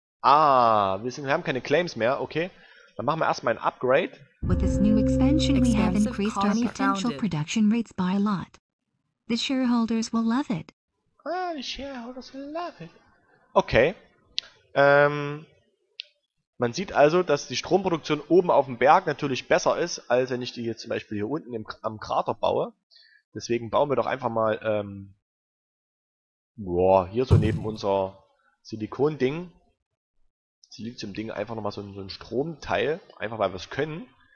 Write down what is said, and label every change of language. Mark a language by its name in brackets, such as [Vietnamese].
[German] Ah, wir haben keine Claims mehr. Okay. Dann machen wir erstmal ein Upgrade. [English] With this new expansion, we have increased our potential production rates by a lot. The shareholders will love it. Ah, the shareholders will love it. Okay. [German] Man sieht also, dass die Stromproduktion oben auf dem Berg natürlich besser ist, als wenn ich die hier zum Beispiel hier unten am Krater baue. Deswegen bauen wir doch einfach mal boah, hier so neben unser Silikon-Ding, Silizium-Ding, einfach nochmal so ein Stromteil, einfach weil wir es können.